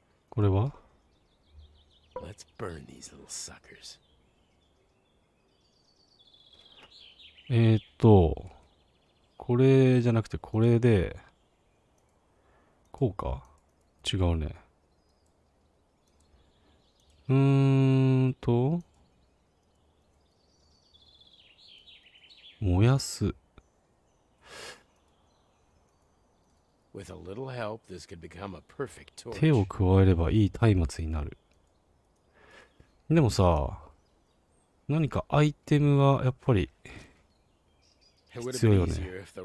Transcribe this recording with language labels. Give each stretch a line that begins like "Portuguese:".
Japanese: これは？
English: Let's burn these little suckers.
Japanese: これじゃなくて、これで、こうか？違うね。燃やす。
English: With a little help, this could become a perfect torch.
Japanese: 手を加えればいい松明になる。でもさ、何かアイテムはやっぱり、強いよね。